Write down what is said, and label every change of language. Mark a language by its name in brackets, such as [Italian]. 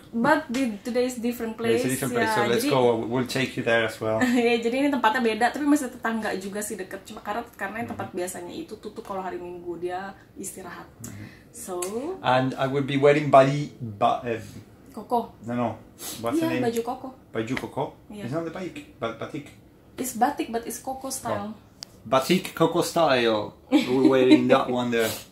[English] But today is different place. It's a different place. Yeah, so let's go. We'll take you there as well. [Indonesian] Yeah, jadi ini tempatnya beda tapi masih tetangga juga sih deket. Cuma karena tempat biasanya itu tutup kalau hari Minggu dia istirahat. So [English] and I will be wearing body but [Indonesian] Koko. No. What's the name? Baju Koko. Baju Koko. [English] Yeah. It's not the batik, but batik. It's batik, but it's Koko style. Oh. Batik Koko style. We're wearing that one there.